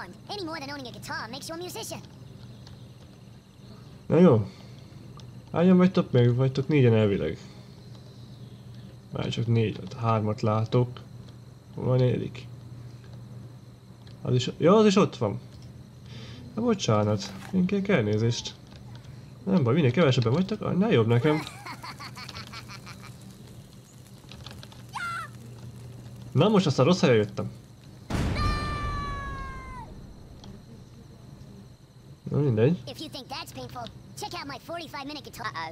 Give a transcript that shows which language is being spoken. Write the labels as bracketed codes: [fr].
[en] Any more than owning a guitar makes you a musician. [hu] Na jó. Hányan vagytok meg? Vagytok négyen elvileg. Már csak négy, hármat látok. Hol a négyedik? Az is... Ja, az is ott van. Na bocsánat. Inkább elnézést. Nem baj, minél kevesebben vagytok, annál jobb nekem. Na most aztán rossz helyre jöttem. Na mindegy. [en] If you think that's painful, check out my 45 minute guitar.